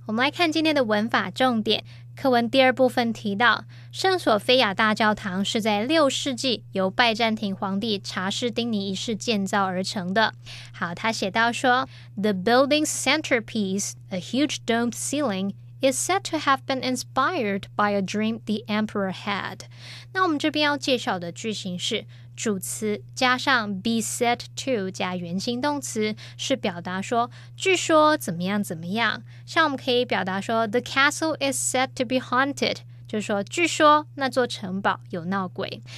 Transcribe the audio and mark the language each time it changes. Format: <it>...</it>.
<zh>我们来看今天的文法重点。课文第二部分提到，圣索菲亚大教堂是在六世纪由拜占庭皇帝查士丁尼一世建造而成的。好，他写到说，</zh> <en>The building's centerpiece, a huge domed ceiling, is said to have been inspired by a dream the emperor had.</en> <zh>那我们这边要介绍的句型是主词加上 be said to 加原形动词，是表达说据说怎么样怎么样。像我们可以表达说</zh> <en>the castle is said to be haunted，</en> <zh>就是说据说那座城堡有闹鬼。</zh>